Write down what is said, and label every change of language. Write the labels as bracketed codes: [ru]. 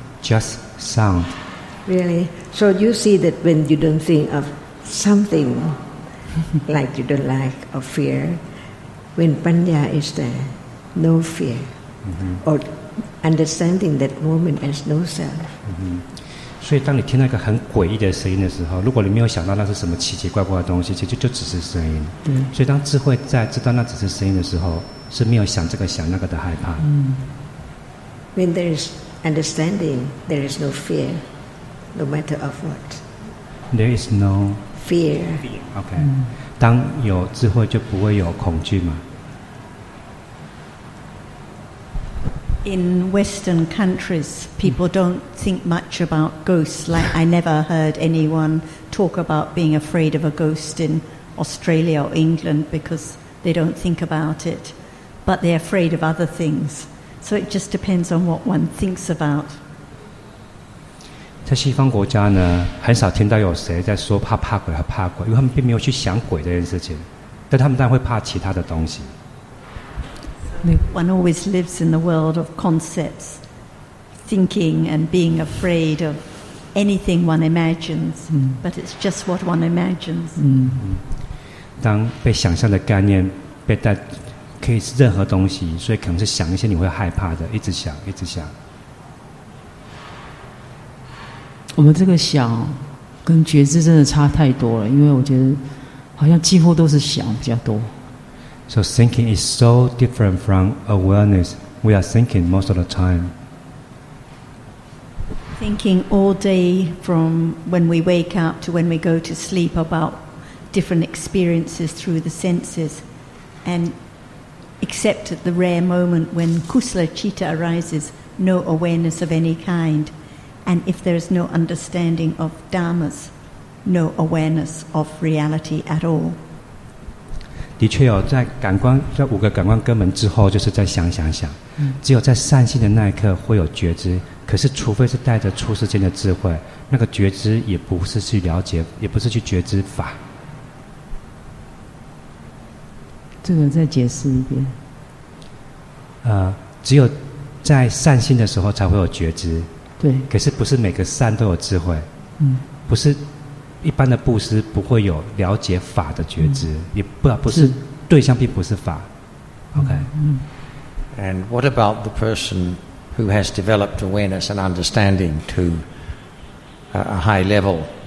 [en] Just sound. Really? So you see that when you don't think of something like you don't like or fear, when panya is there, no fear, or understanding that moment as no self. [zh] 所以当你听到一个很诡异的声音的时候，如果你没有想到那是什么奇奇怪怪的东西，其实就只是声音。对。所以当智慧在知道那只是声音的时候，是没有想这个想那个的害怕。 [en] When there is understanding, there is no fear, no matter of what. There is no fear. Okay. [zh] 当有智慧，就不会有恐惧吗？ [en] In Western countries, people don't think much about ghosts. Like, I never heard anyone talk about being afraid of a ghost in Australia or England because they don't think about it. But they're afraid of other things. So it just depends on what one thinks about. [zh] 在西方国家呢，很少听到有谁在说怕鬼和怕鬼，因为他们并没有去想鬼这件事情，但他们当然会怕其他的东西。 [en] One always lives in the world of concepts, thinking and being afraid of anything one imagines, but it's just what one imagines. [zh] 当被想象的概念被带。可以是任何东西，所以可能是想一些你会害怕的，一直想，一直想。我们这个想跟觉知真的差太多了，因为我觉得好像几乎都是想比较多。 [en] So thinking is so different from awareness. We are thinking most of the time. Thinking all day from when we wake up to when we go to sleep about different experiences through the senses and. Except at the rare moment when kusala citta arises, no awareness of any kind. And if there is no understanding of dharmas, no awareness of reality at all. [zh] 的确哦，在感官，在五个感官根门之后，就是在想想想。只有在善心的那一刻会有觉知，可是除非是带着出世间的智慧，那个觉知也不是去了解，也不是去觉知法。这个再解释一遍。只有在善心的时候才会有觉知。对。可是不是每个善都有智慧。不是一般的布施不会有了解法的觉知，不是对象并不是法。 OK。 [en] And what about the person who has developed awareness and understanding to a high level?